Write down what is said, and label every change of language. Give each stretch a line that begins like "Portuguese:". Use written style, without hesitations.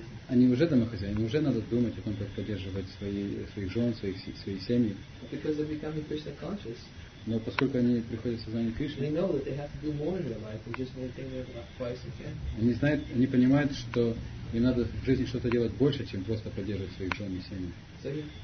Russian: Они уже домохозяины, уже надо думать о том, как поддерживать своих жен, свои семьи.
English: Because they're becoming Krishna conscious.
Russian: Но поскольку они приходят в сознание Кришны,
English: they know that they have to do more in their life and just maintain their twice again.
Russian: Они знают, они понимают, что им надо в жизни что-то делать больше, чем просто поддерживать своих жен и семьи.